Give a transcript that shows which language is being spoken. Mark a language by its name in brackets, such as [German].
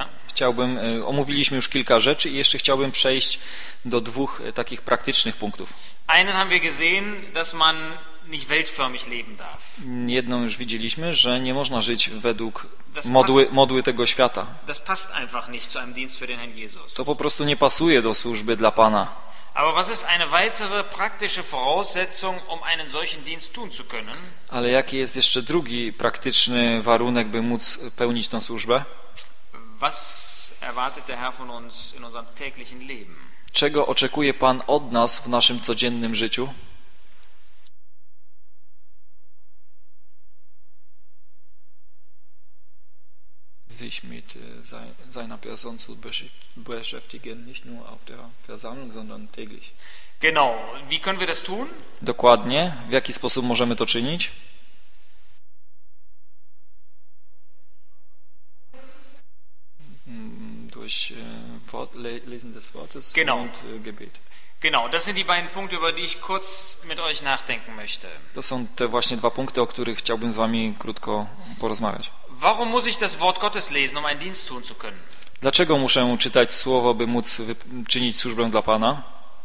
[Polish] Chciałbym, omówiliśmy już kilka rzeczy i jeszcze chciałbym przejść do dwóch takich praktycznych punktów. [German] Einen haben wir gesehen, dass man nicht weltförmig leben darf. [Polish] Jedną już widzieliśmy, że nie można żyć według modły tego świata. [German] Das passt einfach nicht zu einem Dienst für den Herrn Jesus. [Polish] To po prostu nie pasuje do służby dla Pana. [German] Aber was ist eine weitere praktische Voraussetzung, um einen solchen Dienst tun zu können? [Polish] Ale jaki jest jeszcze drugi praktyczny warunek, by móc pełnić tę służbę? [German] Was erwartet der Herr von uns in unserem täglichen Leben? [Polish] Czego oczekuje Pan od nas w naszym codziennym życiu? [German] Sich mit seiner Person zu beschäftigen, nicht nur auf der Versammlung, sondern täglich. Genau. Wie können wir das tun? [Polish] Dokładnie. W jaki sposób możemy to czynić? [German] Durch Lesen des Wortes und Gebet. Genau, das sind die beiden Punkte, über die ich kurz mit euch nachdenken möchte. [Polish] To są te właśnie dwa punkty, o których chciałbym z wami krótko porozmawiać. [German] Warum muss ich das Wort Gottes lesen, um einen Dienst tun zu können? [Polish] Dlaczego muszę czytać słowo, by móc czynić służbę dla Pana?